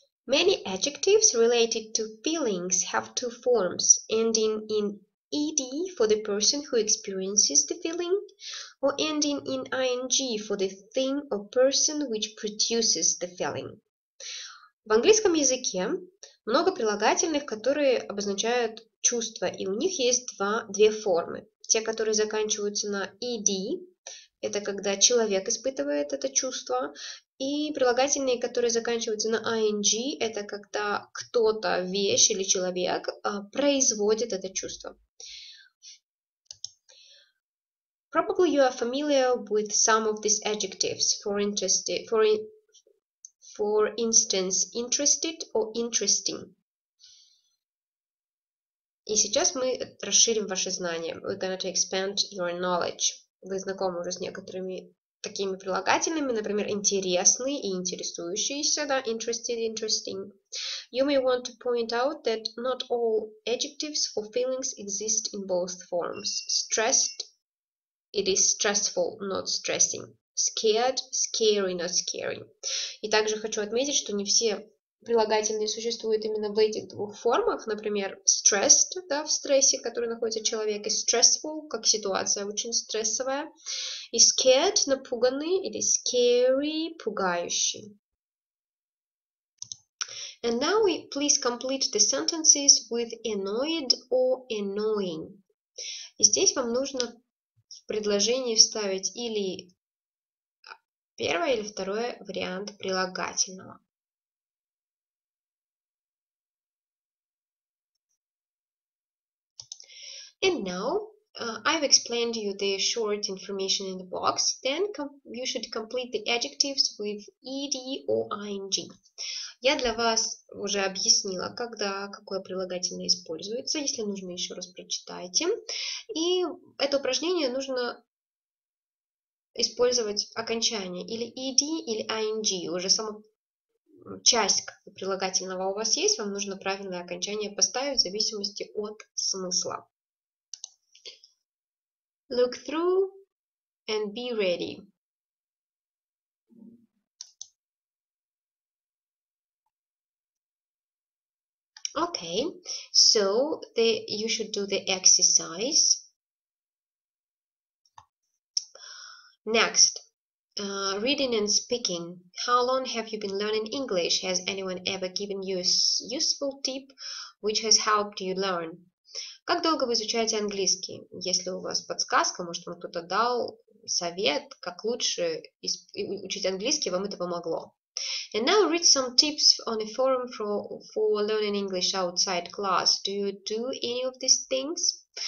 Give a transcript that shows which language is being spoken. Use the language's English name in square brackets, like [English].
[English] Many adjectives related to feelings have two forms, ending in ed for the person who experiences the feeling, or ending in ing for the thing or person which produces the feeling. [Russian] В английском языке много прилагательных, которые обозначают чувства, и у них есть две формы. Те, которые заканчиваются на ed, это когда человек испытывает это чувство, и прилагательные, которые заканчиваются на ing, это когда кто-то, вещь или человек производит это чувство. [English] Probably you are familiar with some of these adjectives, for instance, interested or interesting. [Russian] И сейчас мы расширим ваши знания. [English] We're going to expand your knowledge. [Russian] Вы знакомы уже с некоторыми такими прилагательными, например, интересный и интересующийся, да, interested, interesting. [English] You may want to point out that not all adjectives for feelings exist in both forms. Stressed, it is stressful, not stressing. Scared, scary, not scaring. [Russian] И также хочу отметить, что не все прилагательные существуют именно в этих двух формах. Например, stressed, да, в стрессе, в который находится человек, и stressful, как ситуация очень стрессовая. И scared, напуганный, или scary, пугающий. [English] And now we please complete the sentences with annoyed or annoying. [Russian] И здесь вам нужно в предложении вставить или первое, или второе вариант прилагательного. [English] And now, I've explained you the short information in the box. Then you should complete the adjectives with ed or ing. [Russian] Я для вас уже объяснила, когда какое прилагательное используется. Если нужно, еще раз прочитайте. И это упражнение нужно использовать окончание или ed, или ing. Уже сама часть прилагательного у вас есть. Вам нужно правильное окончание поставить в зависимости от смысла. [English] Look through and be ready. Okay, so you should do the exercise. Next, reading and speaking. How long have you been learning English? Has anyone ever given you a useful tip which has helped you learn? [Russian] Как долго вы изучаете английский? Если у вас подсказка, может, вам кто-то дал совет, как лучше учить английский, вам это помогло. [English] And now read some tips on a forum for learning English outside class. Do you do any of these things?